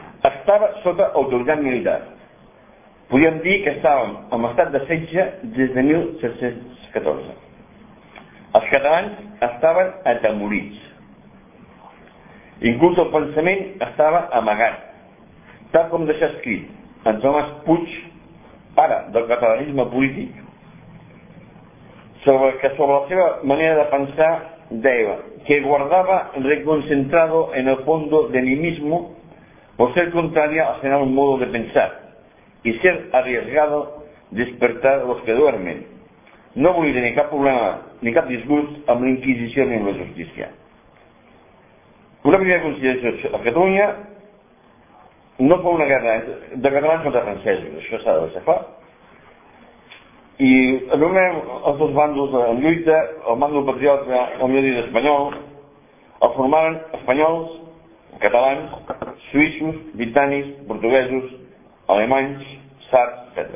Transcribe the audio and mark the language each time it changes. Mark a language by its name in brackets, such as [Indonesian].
[Catalan] Estava sota autoritat militar. Podríem dir que estàvem en estat de setge des de 1714. Els catalans estaven atemorits. Inclús el pensament estava amagat, tal com deixa escrit en Tomàs Puig, pare del catalanisme polític, sobre la seva manera de pensar deia que guardava [Spanish] reconcentrado en el fondo de mí mismo por ser contraria a tener un modo de pensar y ser arriesgado despertar los que duermen. [Catalan] No volia ni cap problema ni cap disgust amb la Inquisició ni amb la justícia. Una primera consideració, a Catalunya no fa una guerra de catalans contra francesos, això s'ha de deixar clar. I anomenem els dos bàndols en lluita, el bàndol patriota, el millor dit espanyol, el formaren espanyols, catalans, suïssos, britànics, portuguesos, alemanys, sards, etc.